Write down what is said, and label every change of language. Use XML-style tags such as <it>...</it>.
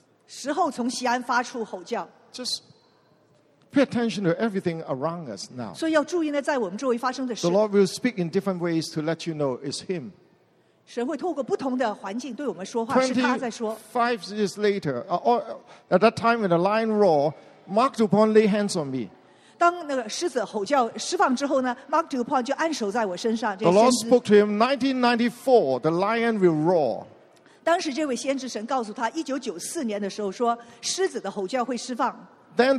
<zh>他有一个特别的特会的名字是，时候从西安发出吼叫。</zh> <en>Just pay attention to everything around us now.</en> <zh>所以要注意呢，在我们周围发生的事。</zh> <en>The Lord will speak in different ways to let you know it's Him.</en> <zh>神会透过不同的环境对我们说话，是他在说。</zh> <en>5 years later, at that time when the lion roared, Mark Dupont laid hands on me.</en> <zh>当那个狮子吼叫释放之后呢，Mark Dupont就按手在我身上。</zh> <en>The Lord spoke to him, 1994, the lion will roar.</en> <zh>当时这位先知神告诉他，1994年的时候说，狮子的吼叫会释放。</zh> <en>Then</en>